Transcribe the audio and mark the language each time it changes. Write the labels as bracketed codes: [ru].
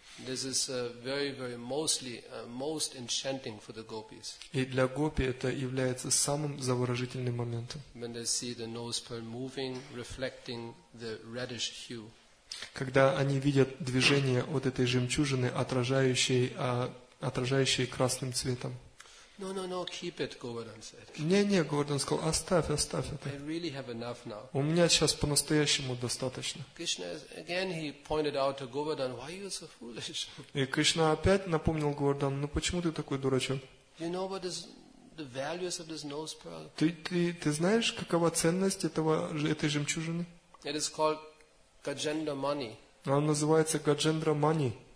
[en] This is very, very mostly most enchanting for the gopis. [ru] И для гопи это является самым завораживающим моментом. [en] When they see the nose pearl moving, reflecting the reddish hue. [ru] Когда они видят движение вот этой жемчужины, отражающей красным цветом. [en] No, no, no, keep it, Govardhan said. [ru] Не-не, Говардан сказал, оставь это. [en] I really have enough now. [ru] У меня сейчас по-настоящему достаточно. [en] Krishna again he pointed out to Govardhan, why are you so foolish? [ru] И Кришна опять напомнил Говардану, ну почему ты такой дурачок? [en] You know what is the values of this nose pearl? [ru] Ты знаешь, какова ценность этой жемчужины? [en] It is called Gajendra Mani. [ru] Она называется Gajendra Mani.